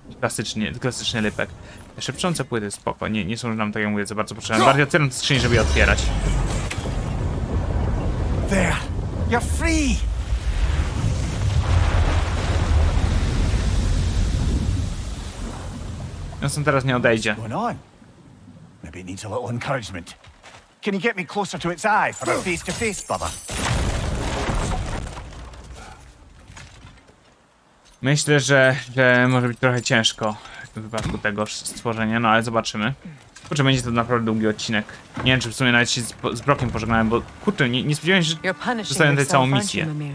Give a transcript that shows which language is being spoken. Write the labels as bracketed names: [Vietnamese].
[Polish] Klasyczny lipek. Szepczące płyty, spoko, nie są nam, tak jak mówię, za bardzo potrzebne. Bardziej otwieram tę skrzynię, żeby je otwierać. [English] There. You're free. [Polish] No są teraz nie odejdzie. [English] Maybe it needs a little encouragement. Can you get me closer to its eye for a face to face, brother? [Polish] Myślę, że może być trochę ciężko w tym wypadku tego stworzenia, no ale zobaczymy. Kurczę, będzie to naprawdę długi odcinek. Nie wiem, czy w sumie nawet się z Brockiem pożegnałem, bo kurczę, nie spodziewałem się, że zostawię tutaj całą misję.